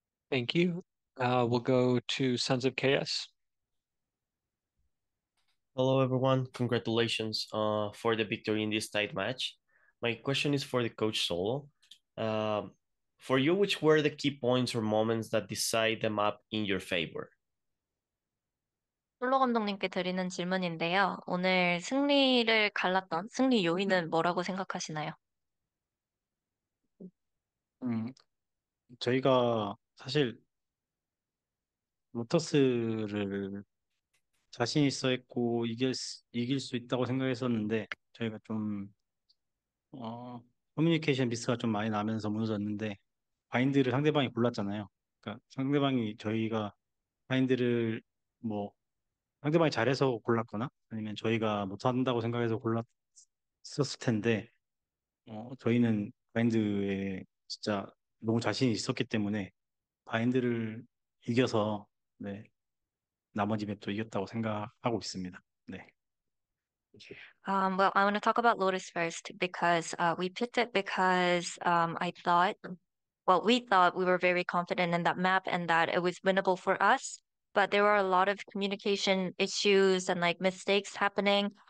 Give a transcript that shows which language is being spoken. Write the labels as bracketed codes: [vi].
[en] Thank you. We'll go to Sons of Chaos. Hello, everyone. Congratulations for the victory in this tight match. My question is for the coach Solo. For you, which were the key points or moments that decide the map in your favor? [ko] 솔로 감독님께 드리는 질문인데요. 오늘 승리를 갈랐던 승리 요인은 뭐라고 생각하시나요? 저희가 사실 로터스를 자신 있어 했고 이길 수 있다고 생각했었는데 저희가 좀 커뮤니케이션 미스가 좀 많이 나면서 무너졌는데 바인드를 상대방이 골랐잖아요. 그러니까 상대방이 저희가 바인드를 뭐 상대방이 잘해서 골랐거나 아니면 저희가 못한다고 생각해서 골랐었을 텐데 저희는 바인드에 진짜 너무 자신이 있었기 때문에 바인드를 이겨서 네 나머지 맵도 이겼다고 생각하고 있습니다. 네. [en] Well, I want to talk about Lotus first because we picked it because I thought, well, we thought we were very confident in that map and that it was winnable for us. But there were a lot of communication issues and like mistakes happening.